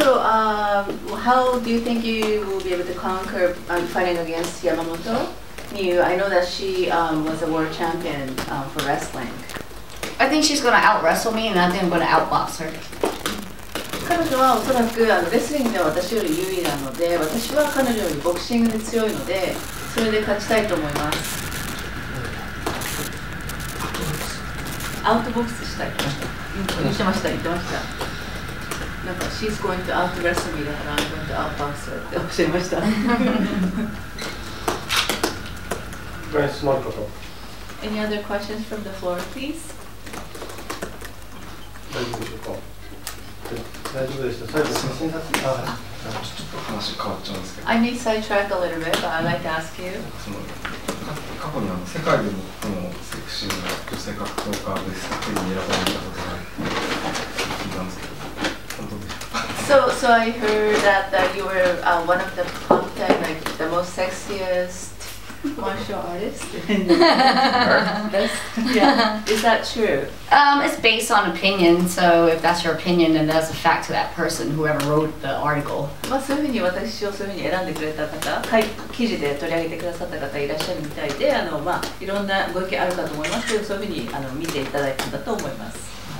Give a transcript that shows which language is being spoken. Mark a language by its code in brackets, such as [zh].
[en] So, how do you think you will be able to conquer fighting against Yamamoto Miyu? I know that she, was a world champion, for wrestling. I think she's going to out-wrestle me, and I think I'm going to out-box her. [ja] 彼女はおそらくあのレスリングでは私より優位なので、私は彼女よりボクシングで強いので、それで勝ちたいと思います。アウトボックスしたい言ってました、言ってました。なんか [en] She's going to out wrestle me [ja] だから、 [en] I'm going to out box her [ja] って教えました。 [en] Very smart こと。 Any other questions from the floor, please? [ja] 大丈夫でしょうか？大丈夫でした。最後写真撮って、ちょっと話変わっちゃうんですけど。 [en] I need sidetrack a little bit, but I'd like to ask you. [ja] 過去にあの世界でもセクシーな女性格闘家ベストテンに選ばれたことがあると聞いたんですけど、本当でしょうか？ [en] So I heard that you were one of the top ten, like the most sexiest martial artist. Yeah. Is that true? It's based on opinion, so if that's your opinion, then that's a fact to that person, whoever wrote the article. [ja] まあ、そういうふうに私をそういうふうに選んでくれた方、はい、記事で取り上げてくださった方いらっしゃるみたいで、あの、まあ、いろんなご意見あるかと思いますけど、そういうふうにあの見ていただいたんだと思います。